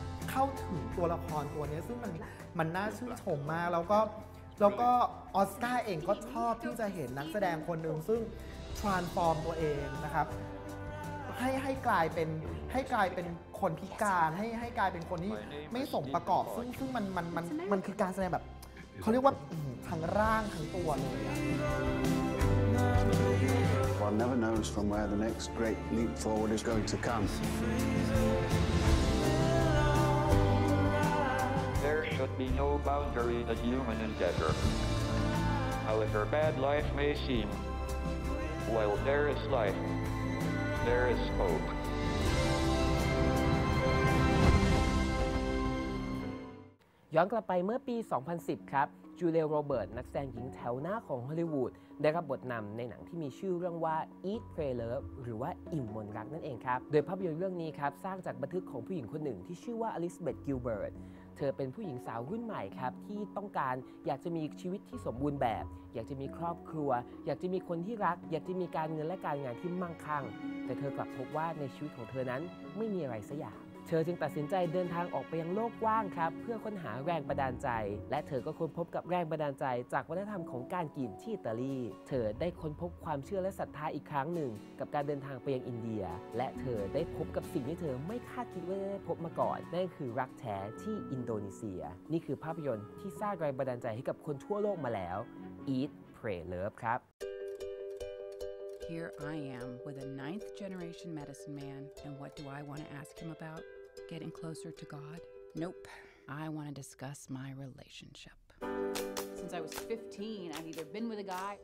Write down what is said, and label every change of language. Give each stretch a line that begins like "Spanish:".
Thai: เข้าถึงตัวละครตัวนี้ซึ่งมันน่าชื่นชมมากแล้วก็ออสการ์เองก็ชอบที่จะเห็นนักแสดงคนหนึ่งซึ่งทรานสฟอร์มตัวเองนะครับให้กลายเป็นคนพิการให้กลายเป็นคนที่ไม่สมประกอบซึ่งมันคือการแสดงแบบเขาเรียกว่าทั้งร่างทั้งตัวเลย
English: One never knows from where the next great leap forward is going to come. There should be no boundary to human endeavor. However bad life may seem, while there is life, there is hope.
Thai: ย้อนกลับไปเมื่อปี2010ครับจูเลียโรเบิร์ตนักแสดงหญิงแถวหน้าของฮอลลีวูดได้รับบทนำในหนังที่มีชื่อเรื่องว่า Eat Pray Love หรือว่าอิ่มมนรักนั่นเองครับโดยภาพยนตร์เรื่องนี้ครับสร้างจากบันทึกของผู้หญิงคนหนึ่งที่ชื่อว่าอลิซาเบธกิลเบิร์ต เธอเป็นผู้หญิงสาวรุ่นใหม่ครับที่ต้องการอยากจะมีชีวิตที่สมบูรณ์แบบอยากจะมีครอบครัวอยากจะมีคนที่รักอยากจะมีการเงินและการงานที่มั่งคั่งแต่เธอกลับพบว่าในชีวิตของเธอนั้นไม่มีอะไรสักอย่างเธอจึงตัดสินใจเดินทางออกไปยังโลกกว้างครับเพื่อค้นหาแรงบันดาลใจ และเธอก็ค้นพบกับแรงบันดาลใจจากวัฒนธรรมของการกินที่อิตาลีเธอได้ค้นพบความเชื่อและศรัทธาอีกครั้งหนึ่งกับการเดินทางไปยังอินเดียและเธอได้พบกับสิ่งที่เธอไม่คาดคิดว่าจะได้พบมาก่อนนั่นคือรักแท้ที่อินโดนีเซียนี่คือภาพยนตร์ที่สร้างแรงบันดาลใจให้กับคนทั่วโลกมาแล้ว Eat Pray Love ครับ
English: Here I am with a ninth generation medicine man, and what do I want to ask him about? Getting closer to God? Nope. I want to discuss my relationship. Since I was 15, I've either been with a guy...